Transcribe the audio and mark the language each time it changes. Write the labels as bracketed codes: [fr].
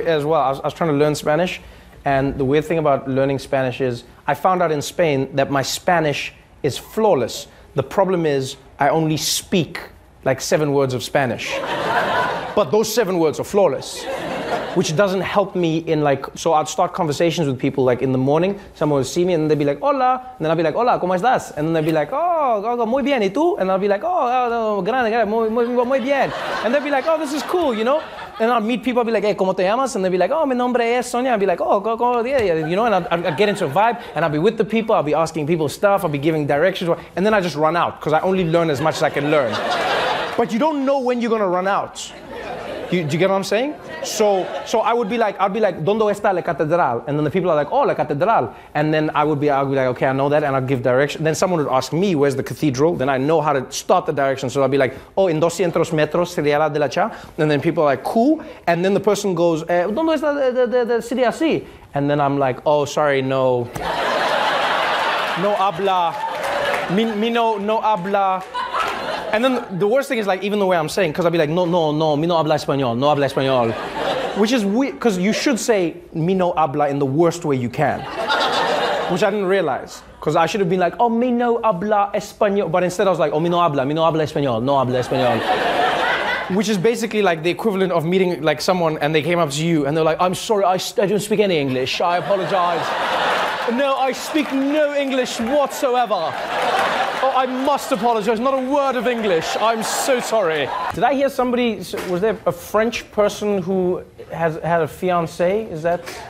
[en] I was trying to learn Spanish. And the weird thing about learning Spanish is I found out in Spain that my Spanish is flawless. The problem is I only speak like 7 words of Spanish. But those 7 words are flawless, which doesn't help me in like, so I'd start conversations with people like in the morning, someone would see me and they'd be like, [es] hola. [en] And then I'd be like, [es] hola, ¿cómo estás? [en] And then they'd be like, [es] oh, muy bien, ¿y tú? [en] And I'd be like, oh, [es] grande, muy bien. [en] And they'd be like, oh, this is cool, you know? And I'd meet people, I'd be like, hey, [es] ¿cómo te llamas? [en] And they'd be like, oh, [es] mi nombre es Sonia. [en] I'd be like, oh, [es] ¿cómo te llamas? [en] You know, and I'd get into a vibe and I'd be with the people, I'd be asking people stuff, I'd be giving directions. And then I just run out because I only learn as much as I can learn. But you don't know when you're going to run out. Do you get what I'm saying? So I'd be like, [es] ¿dónde está la catedral? [en] And then the people are like, oh, [es] la catedral. [en] And then I'd be like, okay, I know that. And I'd give direction. Then someone would ask me, where's the cathedral? Then I know how to start the direction. So I'd be like, oh, [es] en 200 metros sería la de la cha. [en] And then people are like, cool. And then the person goes, [es] ¿dónde está la sería así? [en] And then I'm like, oh, sorry, no. [es] No habla. Mi no habla. [en] And then the worst thing is like, even the way I'm saying, cause I'd be like, [es] no, mi no habla español, [en] no habla español. Which is weird, cause you should say [es] mi no habla [en] in the worst way you can. Which I didn't realize. Cause I should have been like, oh, [es] mi no habla español. [en] But instead I was like, oh, [es] mi no habla español, [en] no habla español. Which is basically like the equivalent of meeting like someone and they came up to you and they're like, I'm sorry, I don't speak any English, I apologize. No, I speak no English whatsoever. Oh, I must apologize, not a word of English. I'm so sorry. Did I hear somebody, was there a French person who has had a fiance? Is that?